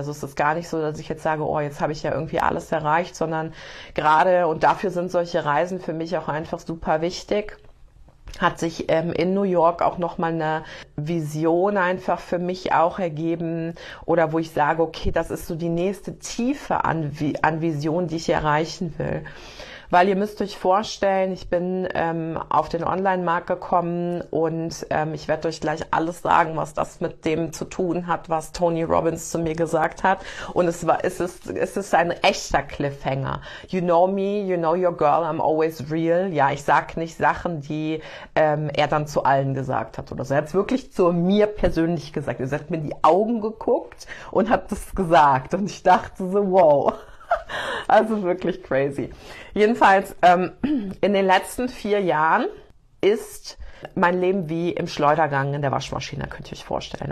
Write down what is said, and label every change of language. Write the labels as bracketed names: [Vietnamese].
[German] Also es ist gar nicht so, dass ich jetzt sage, oh, jetzt habe ich ja irgendwie alles erreicht, sondern gerade, und dafür sind solche Reisen für mich auch einfach super wichtig, hat sich in New York auch nochmal eine Vision einfach für mich auch ergeben oder wo ich sage, okay, das ist so die nächste Tiefe an Vision, die ich erreichen will. Weil ihr müsst euch vorstellen, ich bin auf den Online-Markt gekommen und ich werde euch gleich alles sagen, was das mit dem zu tun hat, was Tony Robbins zu mir gesagt hat. Und es ist ein echter Cliffhanger. [English] You know me, you know your girl, I'm always real. [German] Ja, ich sag nicht Sachen, die er dann zu allen gesagt hat oder so. Er hat es wirklich zu mir persönlich gesagt. Er hat mir in die Augen geguckt und hat das gesagt. Und ich dachte so, wow. Also wirklich crazy. Jedenfalls, in den letzten 4 Jahren ist mein Leben wie im Schleudergang in der Waschmaschine, könnt ihr euch vorstellen.